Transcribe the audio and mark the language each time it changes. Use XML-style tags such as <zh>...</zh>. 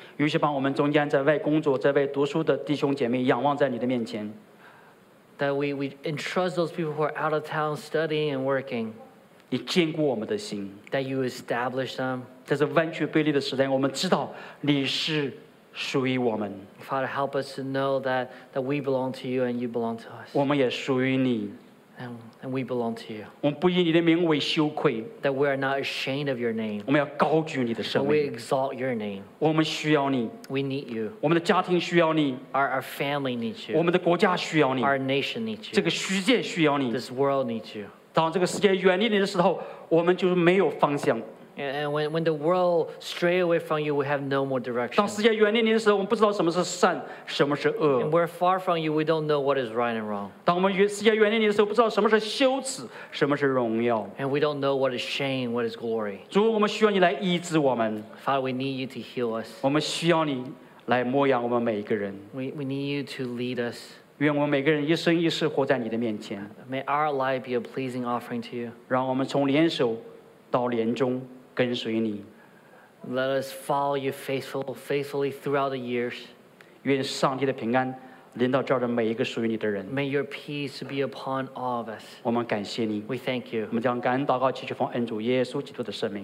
<zh>尤其把我们中间在外工作、在外读书的弟兄姐妹仰望在你的面前。</zh> <en>That we entrust those people who are out of town studying and working.</en> <zh>你坚固我们的心。</zh> <en>That you establish them.</en> <zh>在这弯曲卑劣的时代，我们知道你是属于我们。</zh> <en>Father, help us to know that we belong to you and you belong to us.</en> <zh>我们也属于你。</zh> <en>And we belong to you.</en> <zh>我们不以你的名为羞愧。</zh> <en>That we are not ashamed of your name.</en> <zh>我们要高举你的生命。</zh> <en>We exalt your name.</en> <zh>我们需要你。</zh> <en>We need you.</en> <zh>我们的家庭需要你。</zh> <en>Our family needs you.</en> <zh>我们的国家需要你。</zh> <en>Our nation needs you.</en> <zh>这个世界需要你。</zh> <en>This world needs you.</en> <zh>当这个世界远离你的时候，我们就是没有方向。</zh> <en>And when the world stray away from you, we have no more direction.</en> <zh>当世界远离你的时候，我们不知道什么是善，什么是恶。</zh> <en>And we're far from you, we don't know what is right and wrong.</en> <zh>当我们世界远离你的时候，不知道什么是羞耻，什么是荣耀。</zh> <en>And we don't know what is shame, what is glory.</en> <zh>主，我们需要你来医治我们。</zh> <en>Father, we need you to heal us.</en> <zh>我们需要你来牧养我们每一个人。</zh> <en>We need you to lead us.</en> <zh>愿我们每个人一生一世活在你的面前。</zh> <en>May our life be a pleasing offering to you.</en> <zh>让我们从联手到联中。跟随你。</zh> <en>Let us follow you faithfully throughout the years.</en> <zh>愿上帝的平安临到这儿的每一个属于你的人。</zh> <en>May your peace be upon all of us.</en> <zh>我们感谢你。</zh> <en>We thank you.</en> <zh>我们将感恩祷告祈求奉恩主耶稣基督的圣名。</zh>